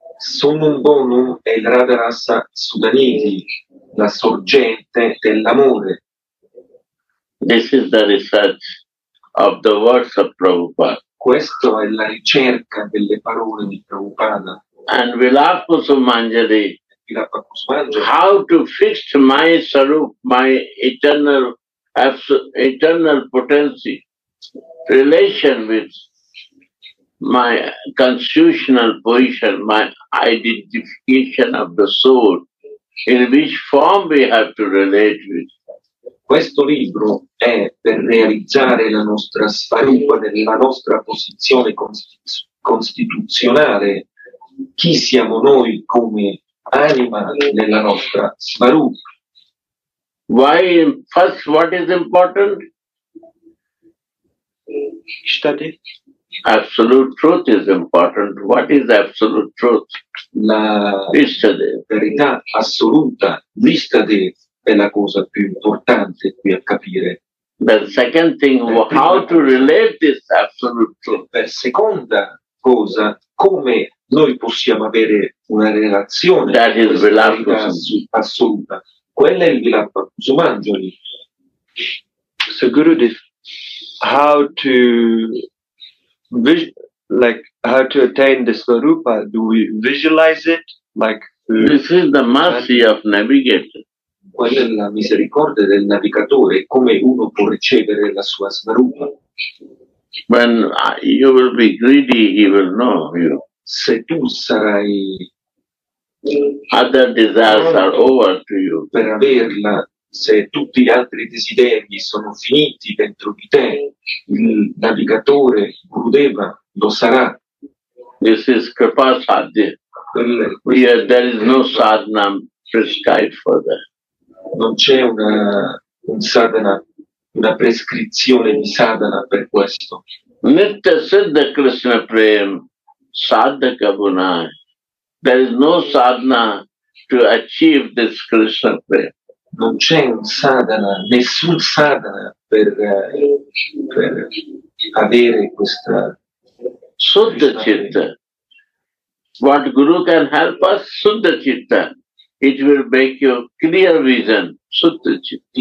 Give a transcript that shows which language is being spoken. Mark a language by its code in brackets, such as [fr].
[it] Summum bonum è il Radha Rasa Sudhanidhi, la sorgente dell'amore. [en] This is the research of the words of Prabhupada. [it] Questo è la ricerca delle parole di Prabhupada. [en] And Vilapa Sumanjari, how to fix my sarup, my eternal, eternal potency, relation with my constitutional position, my identification of the soul, in which form we have to relate with. [it] Questo libro è per realizzare la nostra svarupa nella nostra posizione costituzionale. Chi siamo noi come anima nella nostra svarupa? [en] Why first what is important? Study. Absolute truth is important. What is absolute truth? [it] La verità assoluta, vista di, è la cosa più importante qui a capire. [en] The second thing, how to relate this absolute truth? [it] La seconda cosa, come noi possiamo avere una relazione con questa verità assoluta? Quella è il Vilapa Kusumanjali. [en] So Gurudev, how to how to attain the Svarupa? Do we visualize it? This is the mercy of navigator. [it] Qual è la misericordia del navigatore? Come uno può ricevere la sua Svarupa? [en] When you will be greedy, he will know you. [it] Se tu sarai. [en] Other desires are over to you. [it] Per averla, se tutti gli altri desideri sono finiti dentro di te, il navigatore Gurudeva lo sarà. [en] This is kripa sadhya. Yeah, there is no sadhana prescribed for that. [it] Non c'è una prescrizione di sadhana per questo. [bn] Nitya siddha Krishna prem sadhaka gunai. [en] There is no sadhana to achieve this Krishna prem. [it] Non c'è un sadhana, nessun sadhana per avere questa [en] Suddha Chitta. What Guru can help us? Suddha Chitta. It will make you clear vision. Suddha Chitta.